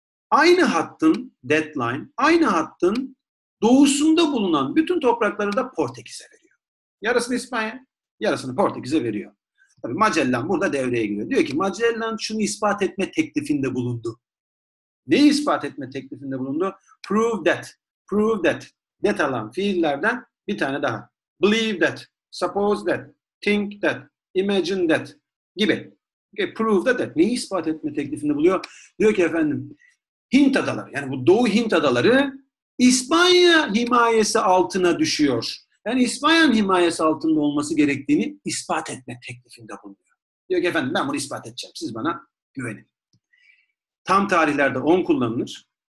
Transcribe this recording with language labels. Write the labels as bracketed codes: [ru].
[tr] Aynı hattın deadline, aynı hattın doğusunda bulunan bütün toprakları da Portekiz'e veriyor. Yarısını İspanya, yarısını Portekiz'e veriyor. Tabii Magellan burada devreye giriyor. Diyor ki Magellan şunu ispat etme teklifinde bulundu. Neyi ispat etme teklifinde bulundu? [en] Prove that. That [tr] alan fiillerden bir tane daha. [en] Believe that, suppose that, think that, imagine that gibi. Okay, prove that. [tr] Neyi ispat etme teklifinde buluyor? Diyor ki efendim Hint adaları, yani bu Doğu Hint adaları İspanya himayesi altına düşüyor. Yani İspanya'nın himayesi altında olması gerektiğini ispat etme teklifinde bulunuyor. Diyor ki efendim ben bunu ispat edeceğim. Siz bana güvenin. Tam tarihlerde 10 kullanılır.